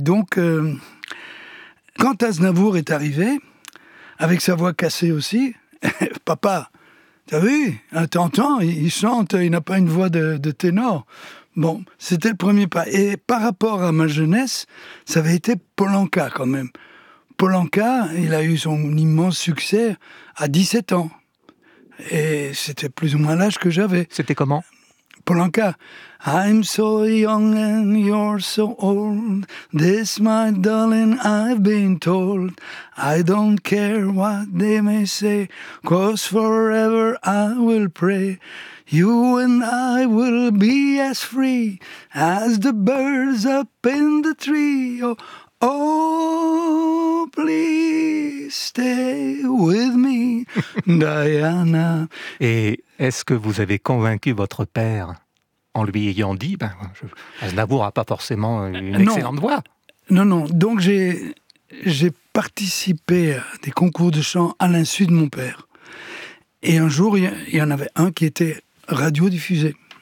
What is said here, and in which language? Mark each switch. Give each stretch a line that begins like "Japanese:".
French: Quand Aznavour est arrivé, avec sa voix cassée aussi, papa, t'as vu, t'entends, il chante, il n'a pas une voix de ténor. Bon, c'était le premier pas. Et par rapport à ma jeunesse, ça avait été Polanka quand même. Polanka, il a eu son immense succès à 17 ans. Et c'était plus ou moins l'âge que j'avais. C'était comment ? Polanka.
English: I'm so young and you're so old. This, my darling, I've been told. I don't care what they may say. 'Cause forever I will pray. You and I will be as free as the birds up in the tree. Oh, oh please stay with me, Diana.
French: Et est-ce que vous avez convaincu votre père en lui ayant dit, Aznavour n'a pas forcément une excellente voix? Non. Donc j'ai participé à des concours de chant à l'insu de mon père. Et un jour, il y en avait un qui était radiodiffusé.